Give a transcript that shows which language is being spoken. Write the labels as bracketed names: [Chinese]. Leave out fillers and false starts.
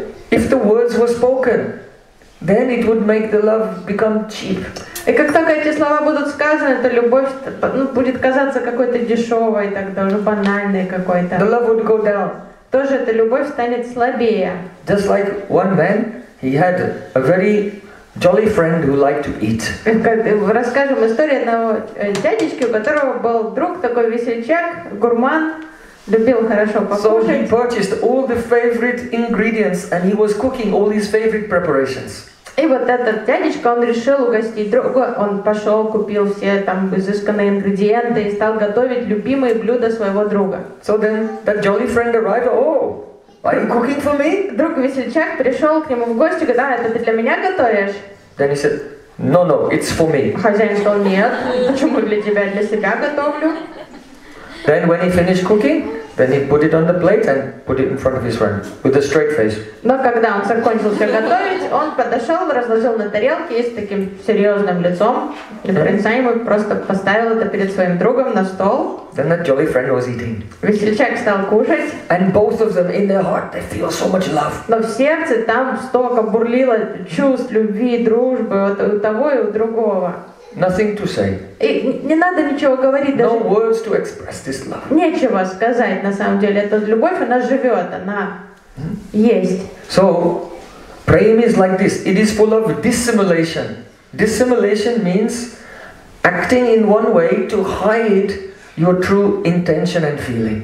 [English] If the words were spoken, then it would make the love become cheap. [Russian] И как только эти слова будут сказаны, то любовь, ну, будет казаться какой-то дешевой, тогда уже банальной какой-то. [English] The love would go down. [Russian] Тоже эта любовь станет слабее. [English] Just like one man, he had a very jolly friend who liked to eat. [Russian] Расскажем историю одного дядечки, у которого был друг такой весельчак, гурман. Любил хорошо покушать. [English] So he purchased all the favorite ingredients and he was cooking all his favorite preparations. [Russian] И вот этот дядечка, он решил угостить друга, он пошел, купил все там изысканные ингредиенты и стал готовить любимые блюда своего друга. [English] So then that jolly friend arrived, oh, are you cooking for me? [Russian] Друг весельчак пришел к нему в гости, говорит, это ты для меня готовишь? [English] Then he said, no, no, it's for me. [Russian] Хозяин сказал, нет, почему для тебя, для себя готовлю? [English] Then when he finished cooking, then he put it on the plate and put it in front of his friend with a straight face. [Russian] Но когда он закончил все готовить, он подошел, разложил на тарелке и с таким серьезным лицом, непроницаемым, просто поставил это перед своим другом на стол. [English] Then that jolly friend was eating. [Russian] Весельчак стал кушать. [English] And both of them in their heart they feel so much love. [Russian] Но в сердце там столько бурлило чувств любви, дружбы от у того и у другого. [English] Nothing to say. [Russian] И не надо ничего говорить даже. [English] No words to express this love. [Russian] Нечего сказать на самом деле. Эта любовь, она живет, она. Mm-hmm. Есть. [English] So, prema is like this. It is full of dissimulation. Dissimulation means acting in one way to hide your true intention and feeling.